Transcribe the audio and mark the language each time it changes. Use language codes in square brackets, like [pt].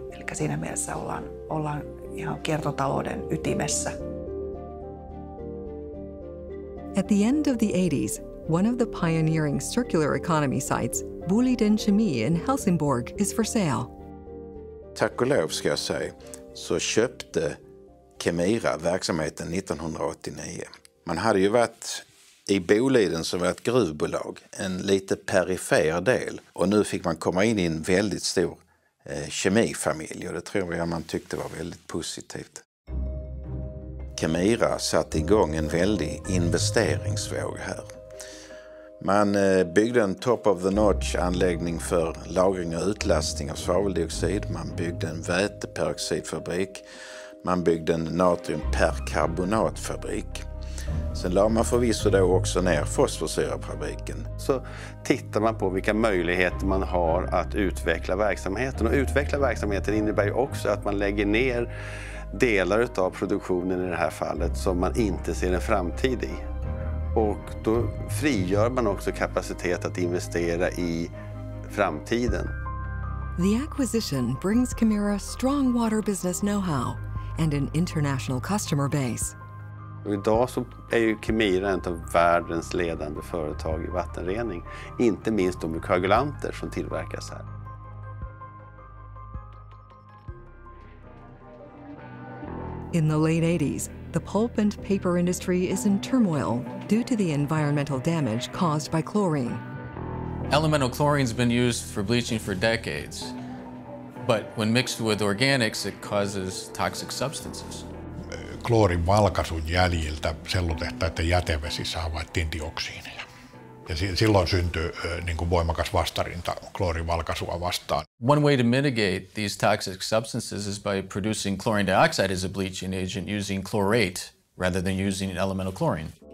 [fi] Eli siinä mielessä ollaan ihan kiertotalouden ytimessä. [en] At the end of the 80s, one of the pioneering circular economy sites, Boliden Kemi in Helsingborg, is for sale. [sv] Tack och lov, ska jag säga, så köpte Kemira verksamheten 1989. Man hade ju varit i Boliden som var ett gruvbolag, en lite perifer del. Och nu fick man komma in i en väldigt stor kemifamilj och det tror jag man tyckte var väldigt positivt. Kemira satte igång en väldig investeringsvåg här. Man byggde en top-of-the-notch-anläggning för lagring och utlastning av svaveldioxid. Man byggde en väteperoxidfabrik. Man byggde en natriumperkarbonatfabrik. Sen la man förvisso då också ner fosforsyrafabriken. Så tittar man på vilka möjligheter man har att utveckla verksamheten. Och utveckla verksamheten innebär ju också att man lägger ner delar av produktionen i det här fallet som man inte ser en framtid i. Och då frigör man också kapacitet att investera i framtiden. [en] The acquisition brings Kemira strong water business know-how and an international customer base. [sv] Idag så är ju Kemira ett av världens ledande företag i vattenrening, inte minst de koagulanter som tillverkas här. [en] In the late 80s, the pulp and paper industry is in turmoil due to the environmental damage caused by chlorine. Elemental chlorine's been used for bleaching for decades. But when mixed with organics, it causes toxic substances. [fi] Kloorin valkaisun jäljiltä sellutehtaiden jätevesissä havaittiin dioksiineja. Ja silloin syntyi niin kuin voimakas vastarinta kloorin valkaisua vastaan. [en] One way to mitigate these toxic substances is by producing chlorine dioxide as a bleaching agent using chlorate rather than using elemental chlorine.